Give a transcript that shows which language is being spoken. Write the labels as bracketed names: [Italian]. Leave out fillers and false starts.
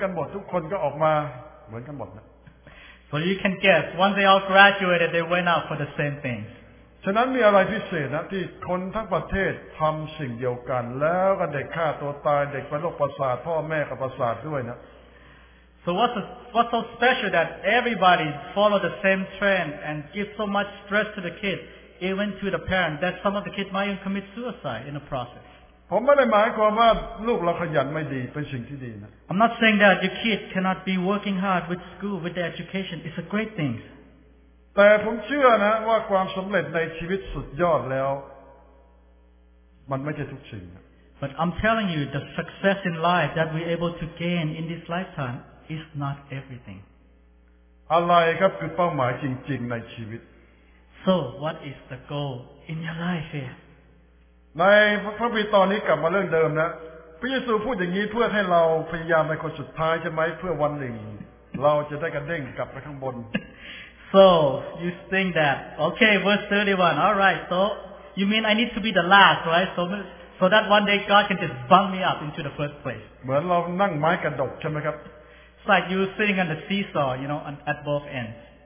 [English] So you can guess, once they all graduated, they went out for the same thing. [Thai] ฉะนั้นมีอะไรพิเศษนะที่คนทั้งประเทศทำสิ่งเดียวกันแล้วก็เด็กฆ่าตัวตายเด็กเป็นโรคประสาทพ่อแม่ก็ประสาทด้วยนะ [English] So what's so special that everybody follow the same trend and give so much stress to the kids, even to the parent, that some of the kids might even commit suicide in the process. I'm not saying that your kid cannot be working hard with school, with their education. It's a great thing. [Thai] แต่ผมเชื่อนะว่าความสำเร็จในชีวิตสุดยอดแล้วมันไม่ใช่ทุกสิ่ง [English] But I'm telling you, the success in life that we're able to gain in this lifetime,is not everything. [Thai] อะไรครับคือเป้าหมายจริงๆในชีวิต [English] So what is the goal in your life here? [Thai] ในพระคัมภีร์ตอนนี้กลับมาเรื่องเดิมนะพระเยซูพูดอย่างนี้เพื่อให้เราพยายามในคนสุดท้ายใช่ไหมเพื่อวันหนึ่งเราจะได้กระเด้งกลับไปข้างบน [English] So you think that okay verse 31 all right so you mean I need to be the last right so that one day God can just bump me up into the first place [Thai] เหมือนเรานั่งไม้กระดกใช่ไหมครับ [English] It's like you sitting on the seesaw, you know, at both ends.